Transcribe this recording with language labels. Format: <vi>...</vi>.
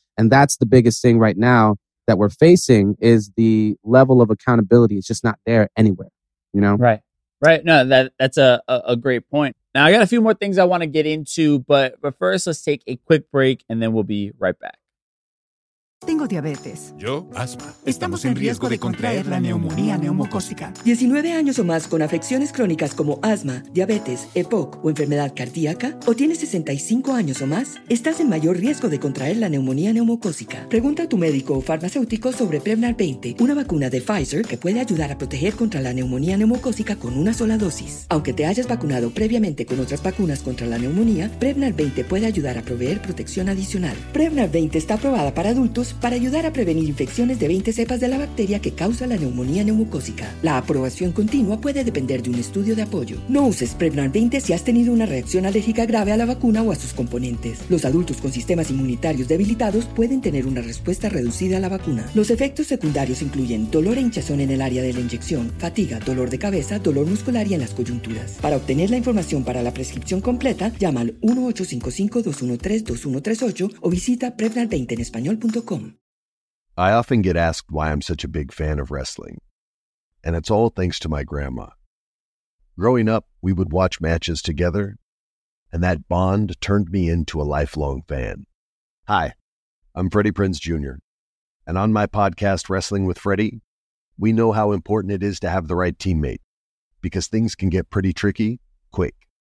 <en>And that's the biggest thing right now that we're facing, is the level of accountability. It's just not there anywhere, you know? Right. No, that's a great point. Now, I got a few more things I want to get into, but first, let's take a quick break and then we'll be right back.</en> <es>Tengo diabetes. Yo, asma. Estamos en riesgo de contraer la neumonía neumocócica. 19 años o más con afecciones crónicas como asma, diabetes, EPOC o enfermedad cardíaca, o tienes 65 años o más, estás en mayor riesgo de contraer la neumonía neumocócica. Pregunta a tu médico o farmacéutico sobre Prevnar 20, una vacuna de Pfizer que puede ayudar a proteger contra la neumonía neumocócica con una sola dosis. Aunque te hayas vacunado previamente con otras vacunas contra la neumonía, Prevnar 20 puede ayudar a proveer protección adicional. Prevnar 20 está aprobada para adultos para ayudar a prevenir infecciones de 20 cepas de la bacteria que causa la neumonía neumocócica. La aprobación continua puede depender de un estudio de apoyo. No uses Prevnar 20 si has tenido una reacción alérgica grave a la vacuna o a sus componentes. Los adultos con sistemas inmunitarios debilitados pueden tener una respuesta reducida a la vacuna. Los efectos secundarios incluyen dolor e hinchazón en el área de la inyección, fatiga, dolor de cabeza, dolor muscular y en las coyunturas. Para obtener la información para la prescripción completa, llama al 1-855-213-2138 o visita Prevnar20enespañol.com.</es> <en>I often get asked why I'm such a big fan of wrestling, and it's all thanks to my grandma. Growing up, we would watch matches together, and that bond turned me into a lifelong fan. Hi, I'm Freddie Prinze Jr., and on my podcast, Wrestling with Freddie, we know how important it is to have the right teammate, because things can get pretty tricky quick.</en>